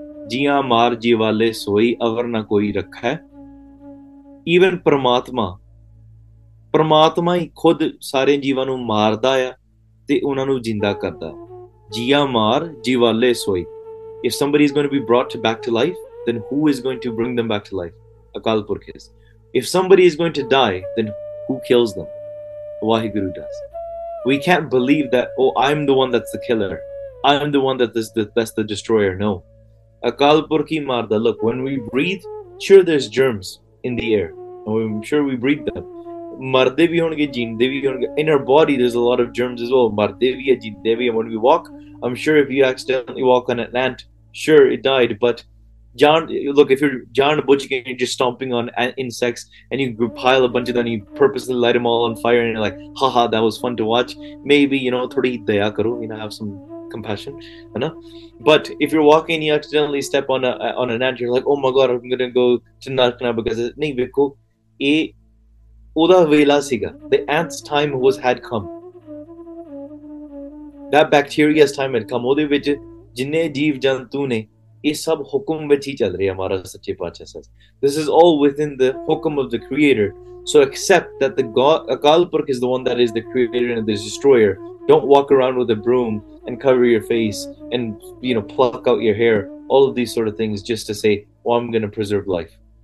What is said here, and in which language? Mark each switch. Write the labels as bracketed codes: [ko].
[pa] ਜੀਆਂ ਮਾਰ ਜੀ ਵਾਲੇ ਸੋਈ ਅਵਰ ਨਾ ਕੋਈ ਰੱਖੈ। ਈਵਨ ਪਰਮਾਤਮਾ ਹੀ ਖੁਦ ਸਾਰੇ ਜੀਵਾਂ ਨੂੰ ਮਾਰਦਾ ਆ ਤੇ ਉਹਨਾਂ ਨੂੰ ਜਿੰਦਾ ਕਰਦਾ। ਜੀਆਂ ਮਾਰ ਜੀ ਵਾਲੇ ਸੋਈ, [en] If somebody is going to be brought back to life, then who is going to bring them back to life? Akal Purkh is. If somebody is going to die, then who kills them? Vaheguru does. We can't believe that, oh, I'm the one that's the killer, I'm the one that's the destroyer. No. [pa] Akal Purkh hi marda. [en] Look, when we breathe, sure there's germs in the air. And I'm sure we breathe them. [pa] Marde bhi honge, jinde bhi honge. [en] In our body, there's a lot of germs as well. [pa] Marde bhi hai, jinde bhi hai. [en] When we walk, I'm sure if you accidentally walk on an ant, sure, it died, but if you're John Butchik and you're just stomping on insects and you pile a bunch of them and you purposely light them all on fire and you're like, haha, that was fun to watch, maybe, you know, [pa] thodi daya karo, [en] you know, have some compassion, you know? But if you're walking and you accidentally step on an ant, you're like, oh my god, I'm gonna go to Narkana, because [pa] nahi veko, eh, oda vela siga, [en] the ant's time had come, that bacteria's time had come. [pa] Ode vich jinne jeev jantu ne, ਇਹ ਸਭ ਹੁਕਮ ਵਿੱਚ ਹੀ ਚੱਲ ਰਿਹਾ ਮਹਾਰਾਜ ਸੱਚੇ ਪਾਤਸ਼ਾਹ ਸਾਹਿਬ। [en] This is all within the hukam of the creator. So accept that the Akalpurkh is the one that is the creator and the destroyer. Don't walk around with a broom and cover your face and, you know, pluck out your hair. All of these sort of things just to say, well, I'm going to preserve life.